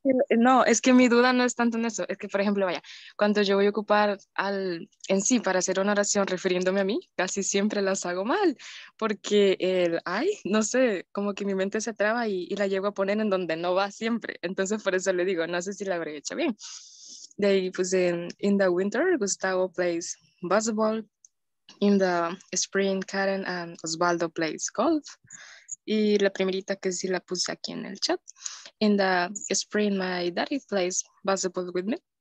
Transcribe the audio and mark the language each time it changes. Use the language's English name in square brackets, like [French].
[Spanish] No, es que mi duda no es tanto en eso. Es que, por ejemplo, vaya, cuando yo voy a ocupar al en sí para hacer una oración refiriéndome a mí, casi siempre las hago mal, porque el ay, no sé, como que mi mente se traba y la llego a poner en donde no va siempre. Entonces, por eso le digo, no sé si la habré hecho bien. De ahí puse [English] in the winter, Gustavo plays basketball. In the spring, Karen and Osvaldo plays golf. [Spanish] Y la primerita que sí la puse aquí en el chat. [English] In the spring, my daddy plays basketball with me.